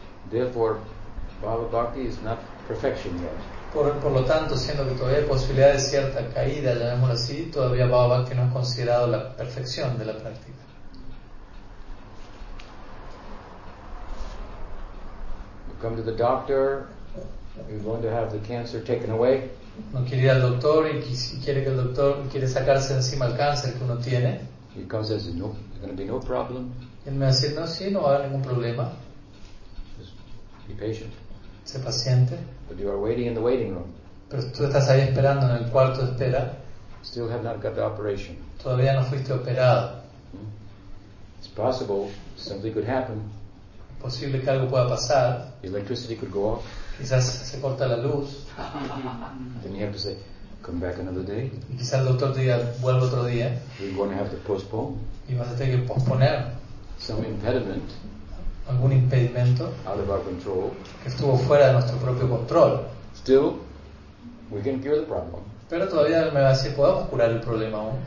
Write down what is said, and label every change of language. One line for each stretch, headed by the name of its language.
English: Therefore, bhava bhakti is not perfection yet.
Spanish: Por lo tanto, siendo que todavía hay posibilidad de cierta caída, llamémoslo así, todavía Bhava Bhakti no es considerado la perfección de la práctica.
English: We come to the doctor, we're going to have the cancer taken away.
Spanish: Uno quiere ir al doctor y quiere que el doctor quiere sacarse encima el cáncer que uno tiene.
English: He comes and says, no, there's going to be no problem.
Spanish: Y él me dice, no, sí, no va a haber ningún problema.
English: Just be patient.
Spanish: Sé paciente.
English: But you are waiting in the waiting room.
Spanish: Pero tú estás ahí esperando en el cuarto de espera.
English: Still have not got the operation.
Spanish: Todavía no fuiste operado.
English: It's possible something could happen.
Spanish: Posible que algo pueda pasar.
English: The electricity could go off.
Spanish: Quizás se corta la luz.
English: Then you have to say, come back another day.
Spanish: Y quizás el doctor diga, vuelve otro día.
English: You're going to have to postpone.
Spanish: Y vas a tener que posponer.
English: Some impediment.
Spanish: Algún impedimento
English: out of our control,
Spanish: que estuvo fuera de nuestro propio control.
English: Still, we can cure the problem.
Spanish: Pero todavía me va a decir, podemos curar el problema aún.